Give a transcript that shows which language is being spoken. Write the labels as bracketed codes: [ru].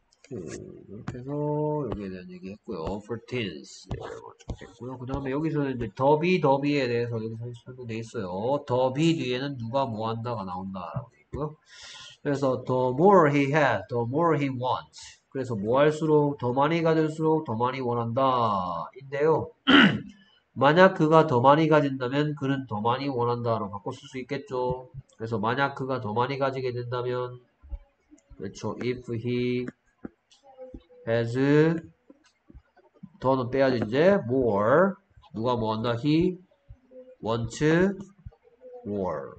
[ko] 이렇게 해서 여기에 대한 얘기 했고요. Fortins 했고요. 그 다음에 여기서는 이제 더비에 대해서 여기 설명돼 있어요. 더비 뒤에는 누가 뭐 한다가 나온다라고 되어 있고요. 그래서 [en] the more he has, the more he wants. [ko] 그래서 뭐 할수록 더 많이 가질수록 더 많이 원한다인데요. 만약 그가 더 많이 가진다면 그는 더 많이 원한다로 바꿀 수 있겠죠. 그래서 만약 그가 더 많이 가지게 된다면 그렇죠. [en] If he has, [ko] 더는 빼야지, 이제, [en] more, [ko] 누가 뭐 한다, [en] he wants more.